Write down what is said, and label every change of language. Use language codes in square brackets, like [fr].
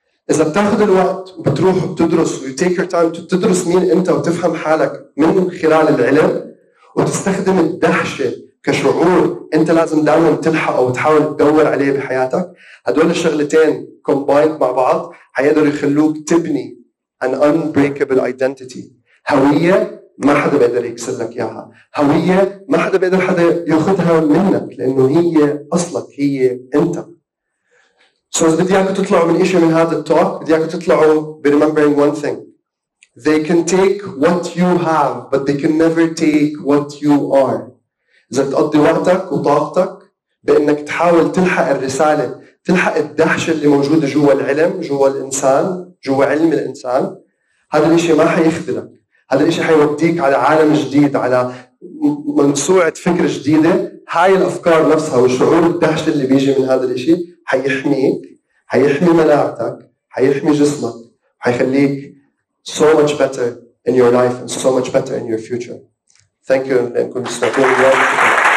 [ar] إذا بتاخد الوقت وبتروح وبتدرس [en] you take your time to [ar] تدرس مين أنت وتفهم حالك من خلال العلم وتستخدم الدهشة كشعور أنت لازم دائما تلحق أو تحاول تدور عليه بحياتك، هدول الشغلتين combined مع بعض هيقدر يخلوك تبني [en] an unbreakable identity، [ar] هوية ما حدا بيقدر يكسر لك اياها، هوية ما حدا بيقدر حدا ياخذها منك لانه هي اصلك هي انت. So بدي اياكم تطلعوا من شيء من هذا التوك، بدي اياكم تطلعوا بريمبرينج وان ثينج. [en] They can take what you have but they can never take what you are. [ar] اذا بتقضي وقتك وطاقتك بانك تحاول تلحق الرسالة، تلحق الدهشة اللي موجودة جوا العلم، جوا الانسان، جوا علم الانسان، هذا الشيء ما حيخذلك. هذا الشيء حيوديك على عالم جديد، على منسوعة فكر جديدة. هاي الأفكار نفسها والشعور الدهشة اللي بيجي من هذا الشيء حيحميك، حيحمي مناعتك، حيحمي جسمك، حيخليك [en] so much better in your life and so much better in your future. Thank you and good luck.